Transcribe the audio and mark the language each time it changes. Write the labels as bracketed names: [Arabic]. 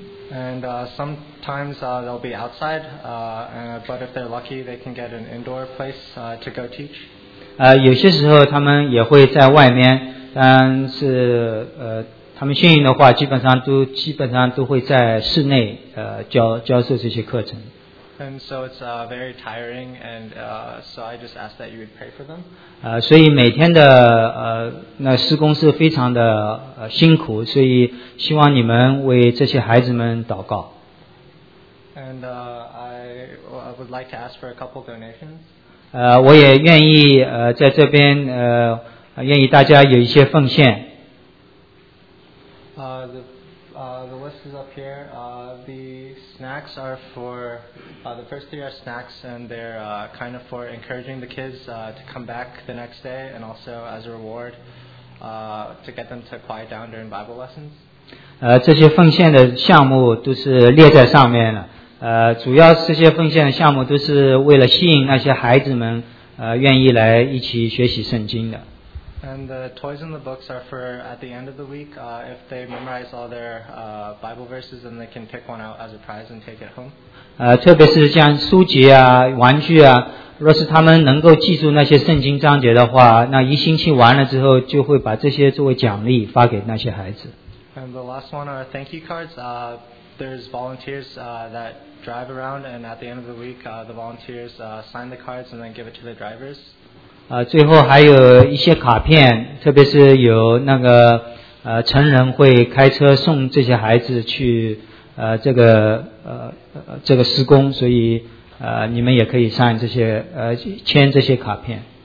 [English] And sometimes they'll be outside, but if they're lucky, they can get an indoor place to go teach. [Chinese] 有些时候他们也会在外面，但是他们幸运的话，基本上都会在室内教授这些课程。 [English] And so it's very tiring, and so I just ask that you would pray for them. [Chinese] 所以每天的那施工是非常的辛苦，所以希望你们为这些孩子们祷告。 [English] And I would like to ask for a couple donations. [Chinese] 我也愿意在这边愿意大家有一些奉献。 [English] The list is up here. The snacks are for, the first three are snacks, and they're kind of for encouraging the kids to come back the next day, and also as a reward to get them to quiet down during Bible lessons. [Chinese] 这些奉献的项目都是列在上面了。主要这些奉献的项目都是为了吸引那些孩子们愿意来一起学习圣经的。 [English] And the toys and the books are for at the end of the week, if they memorize all their Bible verses, then they can pick one out as a prize and take it home. [Chinese] 特别是像书籍啊、玩具啊，若是他们能够记住那些圣经章节的话，那一星期完了之后，就会把这些作为奖励发给那些孩子。 [English] And the last one are thank you cards. There's volunteers that drive around, and at the end of the week, the volunteers sign the cards and then give it to the drivers. [Chinese] 最后还有一些卡片，特别是有那个成人会开车送这些孩子去这个施工，所以你们也可以上这些签这些卡片。